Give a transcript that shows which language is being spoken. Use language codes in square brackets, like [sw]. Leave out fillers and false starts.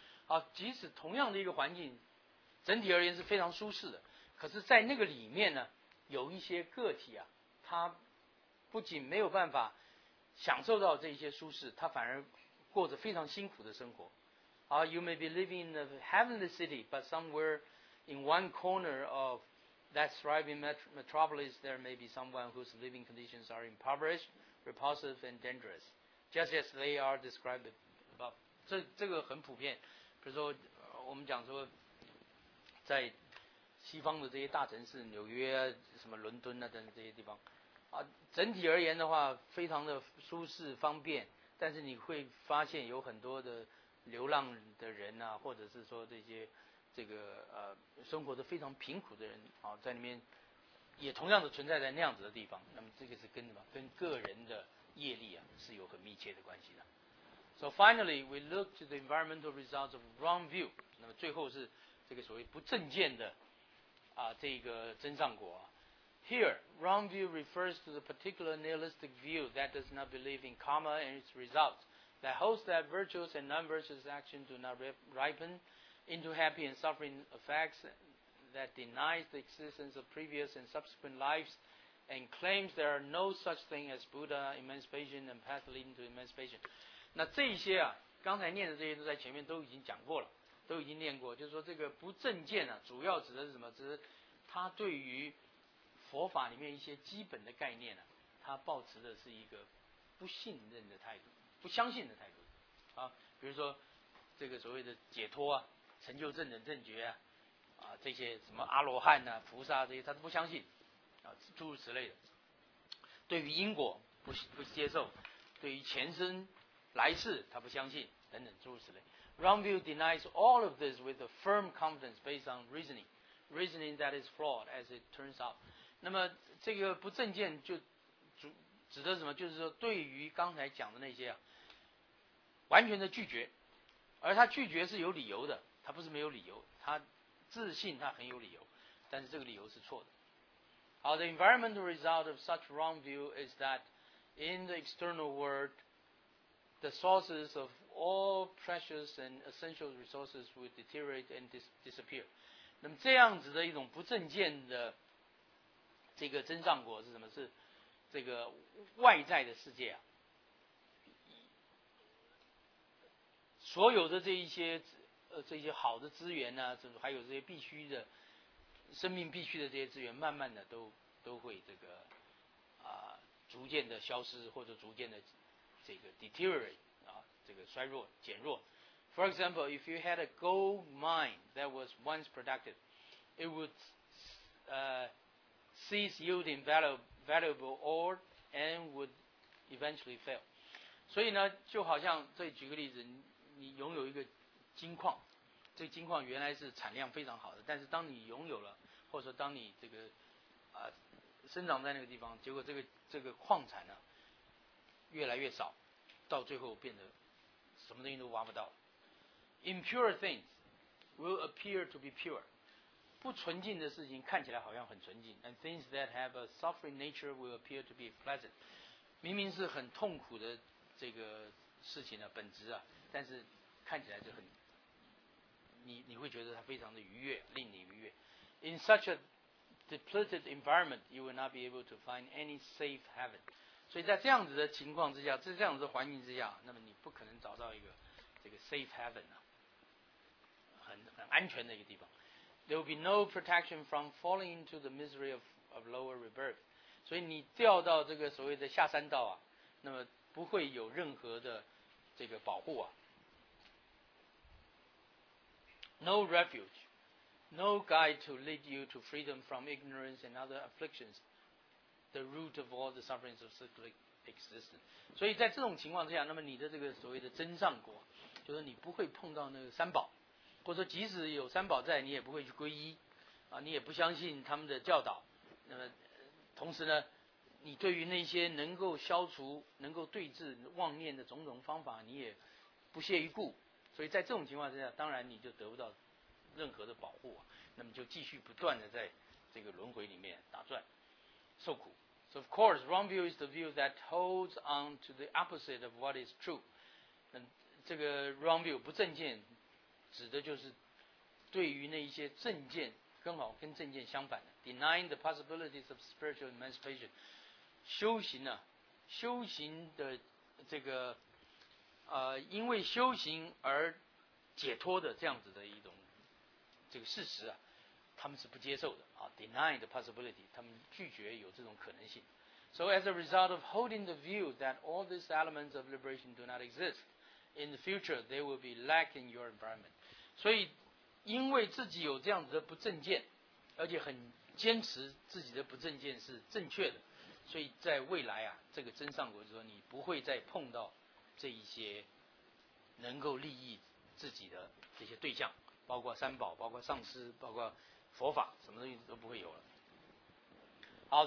[zh] 啊，即使同样的一个环境，整体而言是非常舒适的，可是在那个里面呢，有一些个体啊，他不仅没有办法享受到这些舒适，他反而过着非常辛苦的生活。 [en] You may be living in a heavenly city, but somewhere in one corner of that thriving metropolis, there may be someone whose living conditions are impoverished, repulsive, and dangerous, just as they are described above. [zh] 这个很普遍。比如说，我们讲说，在西方的这些大城市，纽约啊、什么伦敦啊等等这些地方，啊，整体而言的话，非常的舒适方便，但是你会发现有很多的流浪的人啊，或者是说这些这个生活的非常贫苦的人啊，在里面也同样的存在在那样子的地方。那么这个是跟什么？跟个人的业力啊是有很密切的关系的。 [en] So finally, we look to the environmental results of wrong view. [zh] 那么最后是这个所谓不正见的啊这个真上果啊。 [en] Here, wrong view refers to the particular nihilistic view that does not believe in karma and its results. That holds that virtuous and non-virtuous action do not ripen into happy and suffering effects, that denies the existence of previous and subsequent lives, and claims there are no such thing as Buddha, emancipation, and path leading to emancipation. [zh] 那这些啊，刚才念的这些都在前面都已经讲过了，都已经念过。就是说，这个不正见啊，主要指的是什么？指的是他对于佛法里面一些基本的概念呢、啊，他抱持的是一个不信任的态度。不相信的态度，啊，比如说这个所谓的解脱啊、成就正等正觉啊，啊这些什么阿罗汉啊、菩萨、啊、这些，他都不相信，啊诸如此类的，对于因果不接受，对于前生来世他不相信等等诸如此类。 [en] Wrong view denies all of this with a firm confidence based on reasoning that is flawed as it turns out. [zh] 那么这个不正见就主。指的是什么？就是说，对于刚才讲的那些啊，完全的拒绝，而他拒绝是有理由的，他不是没有理由，他自信他很有理由，但是这个理由是错的。 [en] 好 ，the environmental result of such wrong view is that in the external world, the sources of all precious and essential resources will deteriorate and disappear. [zh] 那么这样子的一种不正见的这个真上果是什么？是这个外在的世界啊，所有的这一些这些好的资源呢、啊，还有这些必须的生命必须的这些资源，慢慢的都会这个啊、逐渐的消失或者逐渐的这个 deteriorate 啊，这个衰弱减弱。 [en] For example, if you had a gold mine that was once productive, it would cease yielding valuable ore and would eventually fail. [zh] 所以呢，就好像这举个例子，你拥有一个金矿，这个金矿原来是产量非常好的，但是当你拥有了，或者说当你这个啊、生长在那个地方，结果这个矿产呢越来越少，到最后变得什么东西都挖不到。 [en] Impure things will appear to be pure. [zh] 不纯净的事情看起来好像很纯净 [en] and things that have a suffering nature will appear to be pleasant [zh] 明明是很痛苦的这个事情的本质啊但是看起来就很你会觉得它非常的愉悦令你愉悦 [en] in such a depleted environment you will not be able to find any safe haven [zh] 所以在这样子的情况之下在这样子的环境之下那么你不可能找到一个这个 safe haven 啊很安全的一个地方 [en] There will be no protection from falling into the misery of lower rebirth. [zh] 所以你掉到这个所谓的下三道啊，那么不会有任何的这个保护啊。 [en] No refuge, no guide to lead you to freedom from ignorance and other afflictions, the root of all the sufferings of cyclic existence. [zh] 所以在这种情况之下，那么你的这个所谓的真上果，就是你不会碰到那个三宝。或者说即使有三宝在你也不会去皈依啊，你也不相信他们的教导那么同时呢你对于那些能够消除能够对治妄念的种种方法你也不屑一顾所以在这种情况之下当然你就得不到任何的保护、啊、那么就继续不断的在这个轮回里面打转受苦 [en] So of course wrong view is the view that holds on to the opposite of what is true [zh] 这个 wrong view 不正见指的就是对于那一些证件，刚好跟证件相反的 [en] denying the possibilities of spiritual emancipation。 [zh] 修行呢、啊、修行的这个因为修行而解脱的这样子的一种这个事实啊，他们是不接受的啊 ， [en] deny the possibility， [zh] 他们拒绝有这种可能性。 [en] So as a result of holding the view that all these elements of liberation do not exist, in the future they will be lacking your environment。 [zh] 所以，因为自己有这样子的不正见，而且很坚持自己的不正见是正确的，所以在未来啊，这个真上国就说你不会再碰到这一些能够利益自己的这些对象，包括三宝，包括上师，包括佛法，什么东西都不会有了。